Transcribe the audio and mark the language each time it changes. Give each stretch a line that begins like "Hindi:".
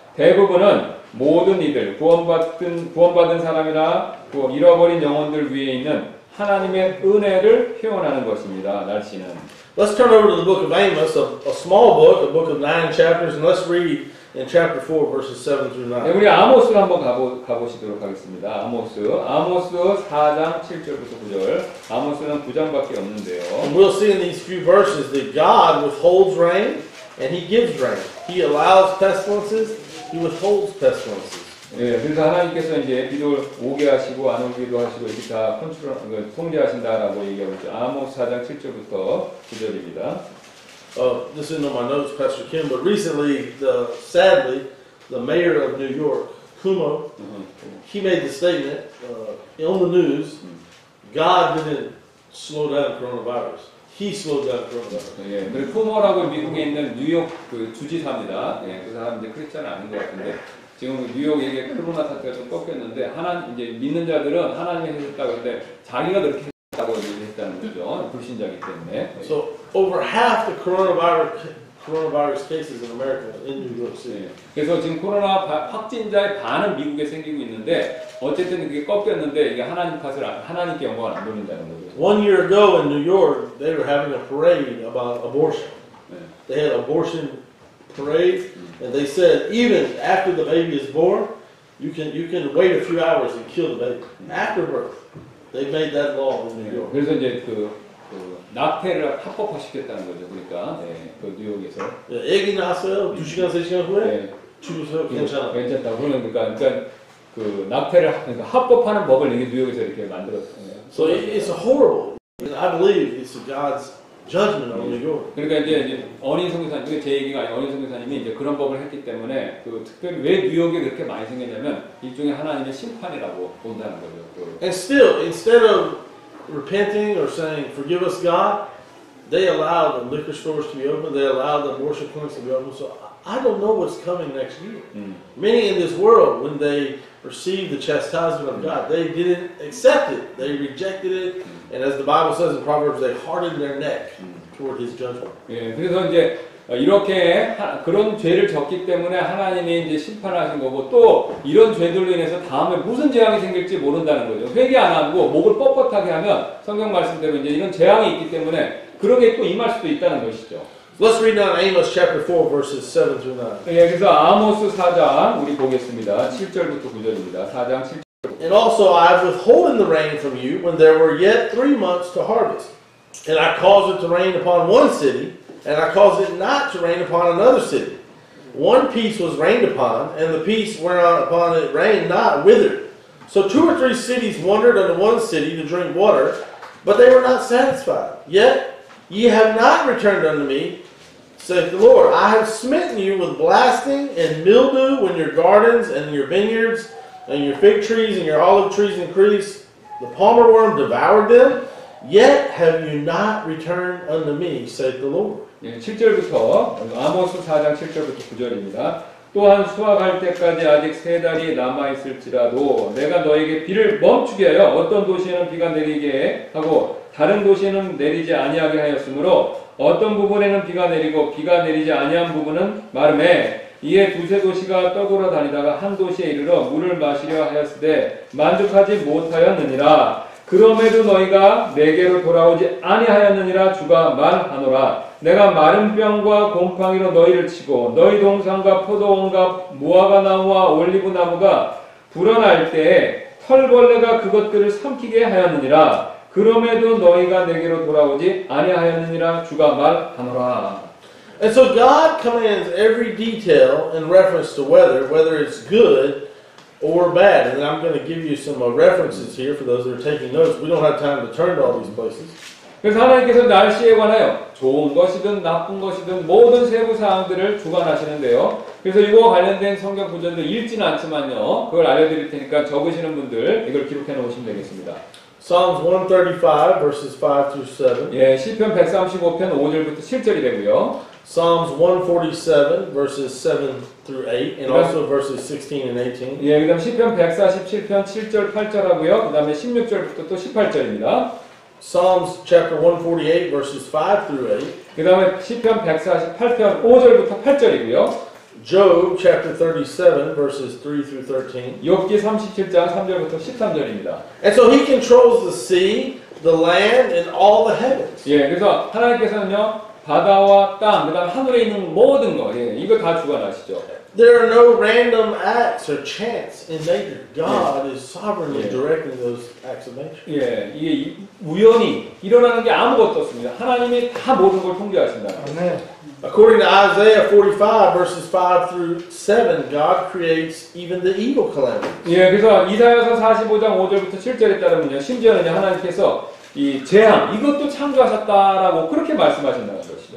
Korean: 대부분은 모든 이들, 구원받은 사람이나 잃어버린 영혼들 위에 있는 하나님의 은혜를 표현하는 것입니다. 날씨는.
English: Let's turn over to the book of Amos, a small book, a book of 9 chapters, and let's read in chapter 4, verses 7 through 9.
Korean: 네, 우리 아모스를 한번 가보시도록 하겠습니다. 아모스 4장 7절부터 9절. 아모스는 9장밖에 없는데요.
English: And we'll see in these few verses that God withholds rain, and He gives rain. He allows pestilences, He withholds pestilences.
Korean: 예, 그래서 하나님께서 이제 비도 오게 하시고 안 오기도 하시고 이렇게 다 컨트롤 통제하신다라고 얘기하고 있죠. 아모스 4장 7절부터 9절입니다.
English: This isn't on my notes, Pastor Kim, but recently, sadly, the mayor of New York, Cuomo, he made the statement on the news, God didn't slow down coronavirus. He slowed down coronavirus.
Korean: 예, 쿠모라고 미국에 있는 뉴욕 그 주지사입니다. 예, 그 사람 이제 크리스찬 아닌 것 같은데. 지금 뉴욕에 코로나 사태가 좀 꺾였는데 이제 믿는 자들은 하나님이 해줬다고 했는데 자기가 그렇게 했다고 얘기했다는 거죠. 불신자이기 때문에.
English: So over half the coronavirus cases in America in New York City.
Korean: 네. 그래서 지금 코로나 확진자의 반은 미국에 생기고 있는데 어쨌든 그게 꺾였는데 이게 하나님께 영광을 안 돌린다는 거죠.
English: One year ago in New York, they were having a parade about abortion.
Korean: 네.
English: They had abortion parade. And they said, even after the baby is born, you can wait a few hours and kill the baby. After birth, they made that law in New York.
Korean: 그래서 이제 그 낙태를 합법화시켰다는 거죠. 그러니까 네, 그 뉴욕에서. 아기 낳았어요. 두 시간 세 시간 후에 죽었어요. 괜찮아. 괜찮다. 그러니까 그 낙태를 그러니까 합법화하는 법을 이게 뉴욕에서 이렇게 만들었어요.
English: So it's horrible. And I believe it's God's. Judgment on New York.
Korean: 그러니까 이제 어린 성교사님, 제 얘기가 아니라 어린 성교사님이 이제 그런 법을 했기 때문에 그 특별히 왜 뉴욕에 그렇게 많이 생겼냐면 일종의 하나님의 심판이라고 본다는 거죠.
English: And still, instead of repenting or saying, "Forgive us, God," they allow the liquor stores to be open, they allow the abortion clinics to be open, so I don't know what's coming next year. Many in this world, when they received the chastisement of God, they didn't accept it, they rejected it, and as the Bible says in Proverbs, they hardened their neck toward His judgment. Yeah,
Korean: 이렇게 그런 죄를 졌기 때문에 하나님이 이제 심판하신 거고 또 이런 죄들로 인해서 다음에 무슨 재앙이 생길지 모른다는 거죠. 회개 안 하고 목을 뻣뻣하게 하면 성경 말씀대로 이제 이런 재앙이 있기 때문에 그런 게 또 임할 수도 있다는 것이죠.
English: Let's read now Amos chapter 4 verses 7 through 9.
Korean: 예, 그래서 아모스 4장 우리 보겠습니다. 7절부터 9절입니다. 4장 7절.
English: And also I have withholden the rain from you when there were yet 3 months to harvest. And I caused it to rain upon one city and I caused it not to rain upon another city. One piece was rained upon, and the piece whereupon it rained not withered. So two or three cities wandered unto one city to drink water, but they were not satisfied. Yet ye have not returned unto me, saith the Lord. I have smitten you with blasting and mildew in your gardens and your vineyards and your fig trees and your olive trees increase. The palmer worm devoured them, yet have you not returned unto me, saith the Lord.
Korean: 예, 7절부터 아모스 4장 7절부터 9절입니다. 또한 수확할 때까지 아직 세 달이 남아 있을지라도 내가 너에게 비를 멈추게 하여 어떤 도시에는 비가 내리게 하고 다른 도시에는 내리지 아니하게 하였으므로 어떤 부분에는 비가 내리고 비가 내리지 아니한 부분은 마름해 이에 두세 도시가 떠돌아 다니다가 한 도시에 이르러 물을 마시려 하였으되 만족하지 못하였느니라. 그럼에도 너희가 내게로 돌아오지 아니하였느니라 주가 말하노라. 내가 마른 병과 곰팡이로 너희를 치고 너희 동산과 포도원과 무화과 나무와 올리브 나무가 불어날 때에 털벌레가 그것들을 삼키게 하였느니라. 그럼에도 너희가 내게로 돌아오지 아니하였느니라 주가 말하노라.
English: And so God commands every detail in reference to weather, whether it's good or bad. And I'm going to give you some references here for those that are taking notes. We don't have time to turn to all these places.
Korean: 그래서 하나님께서 날씨에 관하여 좋은 것이든 나쁜 것이든 모든 세부 사항들을 주관하시는데요. 그래서 이거 관련된 성경 구절도 읽지는 않지만요. 그걸 알려드릴 테니까 적으시는 분들 이걸 기록해 놓으시면 되겠습니다.
English: Psalms 135 verses 5 through 7.
Korean: 예, 시편 135편 5절부터 7절이 되고요.
English: Psalms 147 verses 7 through 8 and also verses 16 and 18.
Korean: 예, 그다음 시편 147편 7절 8절 하고요. 그다음에 16절부터 또 18절입니다.
English: Psalms chapter 148 verses 5 through 8.
Korean: 그다음에 시편 148편 5절부터 8절이고요.
English: Job chapter 37 verses 3 through 13.
Korean: 욥기 37장 3절부터 13절입니다.
English: And so he controls the sea, the land and all the heavens.
Korean: 예, 그래서 하나님께서는요. 바다와 땅, 그다음 하늘에 있는 모든 거, 예, 이거 다 주관하시죠.
English: There are no random acts or chance in nature. God is sovereignly directing those acts of nature.
Korean: 예, 이게 우연히 일어나는 게 아무것도 없습니다. 하나님이 다 모든 걸 통제하신다.
English: According to Isaiah 45 verses 5 through 7, God creates even the evil calamities.
Korean: 예, 그래서 이사야서 45장 5절부터 7절에 따르면요, 심지어는 하나님께서 이 재앙 이것도 창조하셨다라고 그렇게 말씀하신다는 것이죠.